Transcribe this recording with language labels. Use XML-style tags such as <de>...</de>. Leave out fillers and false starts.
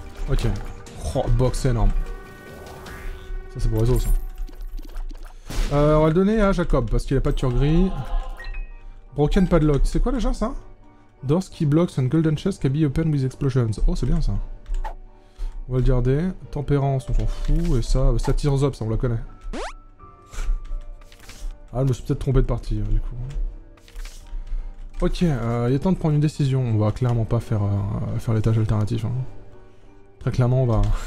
<fr>Ok. Oh, box énorme. Ça c'est pour réseau ça. On va le donner à Jacob, parce qu'il a pas de tueur gris. Broken padlock, c'est quoi déjà ça?</fr> <en>Doors key blocks and golden chest can be opened with explosions.</en> <fr>Oh, c'est bien ça. On va le garder. Tempérance, on s'en fout. Et ça, ça tire up, ça on la connaît. Ah, je me suis peut-être trompé de partie, du coup. Ok, il est temps de prendre une décision. On va clairement pas faire, faire l'étage alternatif. Hein. Très clairement, on va...</fr>